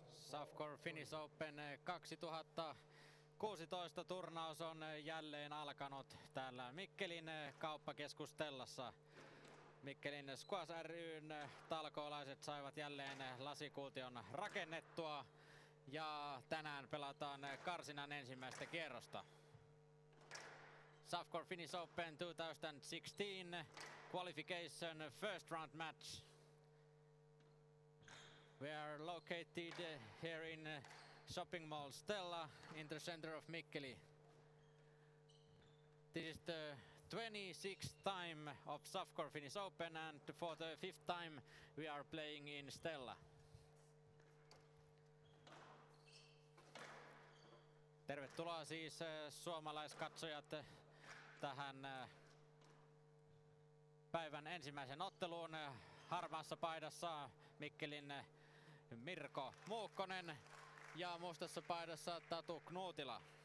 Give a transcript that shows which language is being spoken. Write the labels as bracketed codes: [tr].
[fi] Tafcore Finnish Open 2016 turnaus on jälleen alkanut täällä Mikkelin kauppakeskustellassa. Mikkelin Squash ry:n talkoolaiset saivat jälleen lasikuution rakennettua ja tänään pelataan karsinan ensimmäistä kierrosta. [en] Tafcore Finnish Open 2016 qualification first round match. We are located here in shopping mall Stella in the center of Mikkeli. This is the 26th time of Tafcore Finnish Open and for the fifth time we are playing in Stella. [fi] Tervetuloa siis suomalaiskatsojat tähän päivän ensimmäisen otteluun harmaassa paidassa Mikkelin Mirko Muukkonen ja mustassa paidassa Tatu Knuutila.